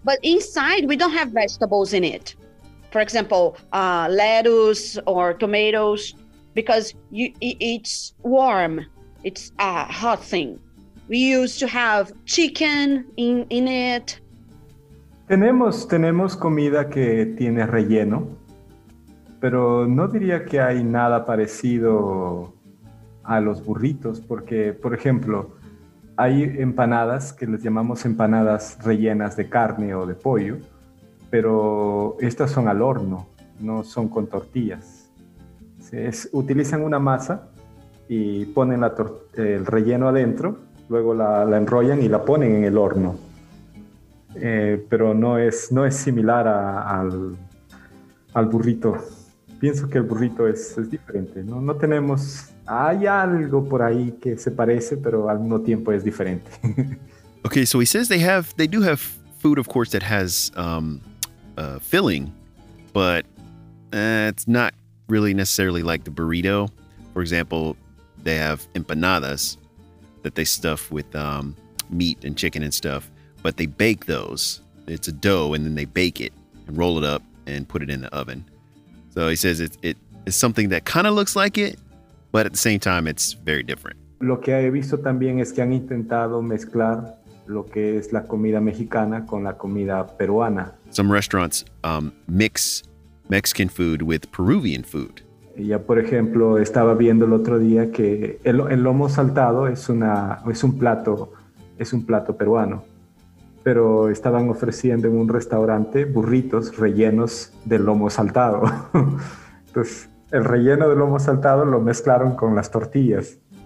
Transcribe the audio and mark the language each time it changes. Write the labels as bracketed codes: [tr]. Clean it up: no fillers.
[en] But inside, we don't have vegetables in it. For example, lettuce or tomatoes, because it's warm. It's a hot thing. We used to have chicken in it. [es] Tenemos comida que tiene relleno, pero no diría que hay nada parecido a los burritos, porque, por ejemplo, hay empanadas que les llamamos empanadas rellenas de carne o de pollo, pero estas son al horno, no son con tortillas. Utilizan una masa y ponen el relleno adentro, luego la enrollan y la ponen en el horno. Pero no es similar al burrito. Pienso que el burrito es diferente. No tenemos... Hay algo por ahí que se parece, pero al mismo tiempo es diferente. [en] Okay, so he says they do have food, of course, that has filling, but it's not really necessarily like the burrito. For example, they have empanadas that they stuff with meat and chicken and stuff, but they bake those. It's a dough, and then they bake it and roll it up and put it in the oven. So he says it's something that kind of looks like it, but at the same time, it's very different. [es] Lo que he visto también es que han intentado mezclar lo que es la comida mexicana con la comida peruana. [en] Some restaurants mix Mexican food with Peruvian food. [es] Ya, por ejemplo, estaba viendo el otro día que el lomo saltado es un plato peruano. Pero estaban ofreciendo en un restaurante burritos rellenos de lomo saltado. Entonces, el relleno de lomo saltado lo mezclaron con las tortillas.